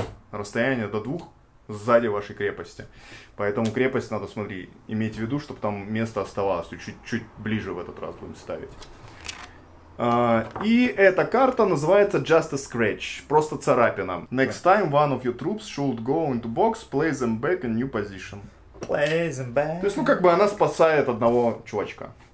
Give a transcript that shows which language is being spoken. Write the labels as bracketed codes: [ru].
[ru] Расстояние до двух сзади вашей крепости. Поэтому крепость надо, смотри, иметь в виду, чтобы там место оставалось. Чуть-чуть ближе в этот раз будем ставить. И эта карта называется Just a Scratch. Просто царапина. [en] Next time one of your troops should go into box, place them back in new position. Place them back. [ru] То есть, ну, как бы она спасает одного чувачка.